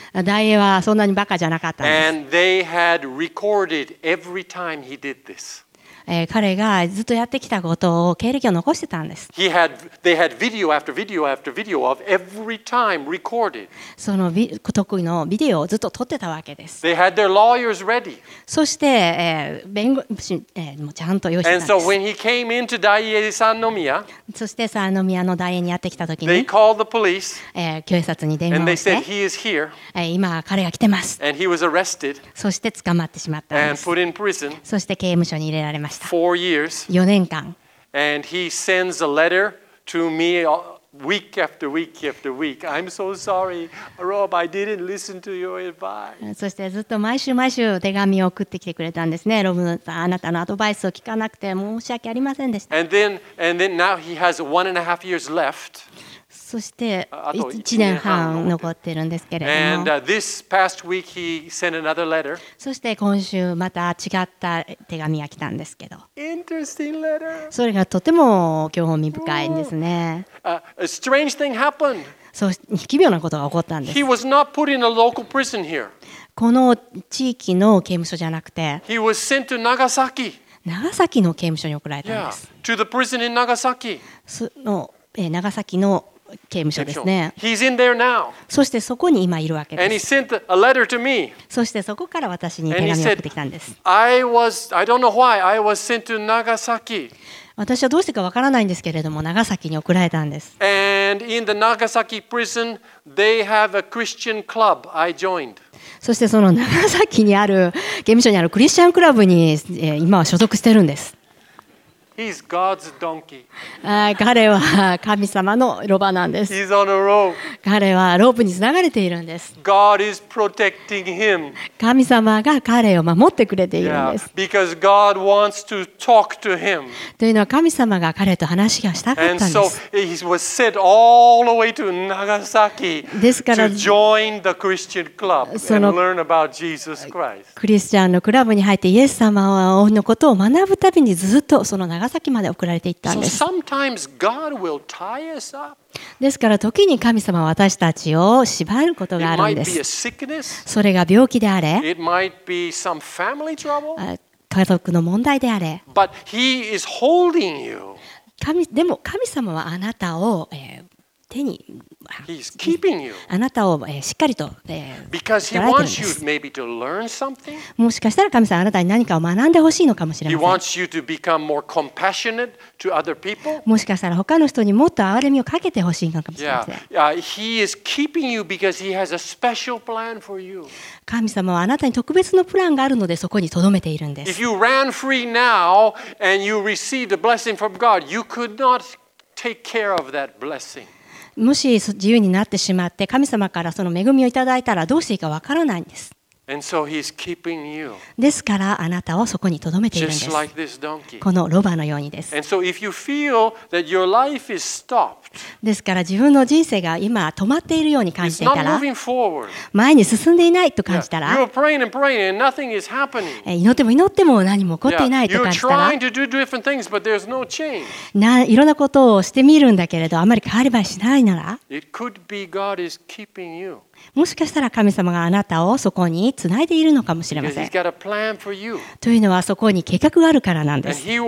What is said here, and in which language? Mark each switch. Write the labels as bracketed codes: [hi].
[ja] ダイエはそんなにバカじゃなかったんです。 [en] And they had recorded every time he did this. [ja] 彼がずっとやってきたことを経歴を残してたんです。 [en] They had video after video after video of every time recorded. [ja] その得意のビデオをずっと撮ってたわけです。 [en] They had their lawyers ready. [ja] そして、弁護士、もちゃんと用意してたんです。 [en] And so when he came into Daiye Sannomiya, [ja] そして Sannomiya のダイエにやってきたときに、 [en] they called the police. [ja] 警察に電話をして、 [en] and they said he is here. [ja] 今彼が来てます。 [en] And he was arrested. [ja] そして捕まってしまったんです。 [en] And put in prison. [ja] そして刑務所に入れられました。 [en] Four years. [ja] 4年間。 [en] And he sends a letter to me week after week after week. I'm so sorry, Rob. I didn't listen to your advice. [ja] そしてずっと毎週毎週手紙を送ってきてくれたんですね、ロブさん。あなたのアドバイスを聞かなくて申し訳ありませんでした。 [en] And then now he has one and a half years left. [ja] そして1年半残ってるんですけれども。 [en] And this past week he sent another letter. [ja] そして今週また違った手紙が来たんですけど。 [en] Interesting letter. [ja] それがとても興味深いんですね。 [en] A strange thing happened. [ja] そう、奇妙なことが起こったんです。 [en] He was not put in a local prison here. [ja] この地域の刑務所じゃなくて。 [en] He was sent to Nagasaki. [ja] 長崎の刑務所に送られたんです。 [en] Yeah, to the prison in Nagasaki. [ja] その、長崎の刑務所ですね。 [en] He's in there now. [ja] そしてそこに今いるわけです。 [en] And he sent a letter to me. [ja] そしてそこから私に手紙を送ってきたんです。 [en] I don't know why I was sent to Nagasaki. [ja] 私はどうしてかわからないんですけれども、長崎に送られたんです。 [en] And in the Nagasaki prison, they have a Christian club I joined. [ja] そしてその長崎にある刑務所にあるクリスチャンクラブに今は所属してるんです。 [en] He's God's donkey. [ja] 彼は神様のロバなんです。 [en] He's on a rope. [ja] 彼はロープにつながれているんです。 [en] God is protecting him. [ja] 神様が彼を守ってくれているんです。 [en] Yeah. Because God wants to talk to him. [ja] というのは神様が彼と話がしたかったんです。 [en] And so he was sent all the way to Nagasaki to join the Christian club and learn about Jesus Christ. [ja] クリスチャンのクラブに入ってイエス様のことを学ぶたびにずっとその長崎まで送られていったんです。 [en] So sometimes God will tie us up. [ja] ですから時に神様は私たちを縛ることがあるんです。 [en] It might be a sickness. [ja] それが病気であれ、 [en] It might be some family trouble. [ja] 家族の問題であれ、 [en] But he is holding you. [ja] でも神様はあなたを、手に、 [en] He's keeping you. [ja] あなたを、しっかりと、 [en] Because he wants you maybe to learn something. [ja] もしかしたら神様あなたに何かを学んでほしいのかもしれません。 [en] He wants you to become more compassionate to other people. [ja] もしかしたら他の人にもっと憐れみをかけてほしいのかもしれません。 [en] Yeah. He is keeping you because he has a special plan for you. [ja] 神様はあなたに特別のプランがあるのでそこに留めているんです。 [en] If you ran free now and you received a blessing from God, you could not take care of that blessing. [ja] もし自由になってしまって神様からその恵みをいただいたらどうしていいかわからないんです。 [en] And so he's keeping you. [ja] ですからあなたをそこに留めているんです。 [en] Just like this donkey. [ja] このロバのようにです。 [en] And so if you feel that your life is stopped, [ja] ですから自分の人生が今止まっているように感じていたら、 [en] It's not moving forward. [ja] 前に進んでいないと感じたら、 [en] You're praying and praying and nothing is happening. [ja] 祈っても祈っても何も起こっていないと感じたら、 [en] You're trying to do different things, but there's no change. [ja] いろんなことをしてみるんだけれどあまり変わり映えしないなら、 [en] It could be God is keeping you. [ja] もしかしたら神様があなたをそこにつないでいるのかもしれません。というのはそこに計画があるからなんです。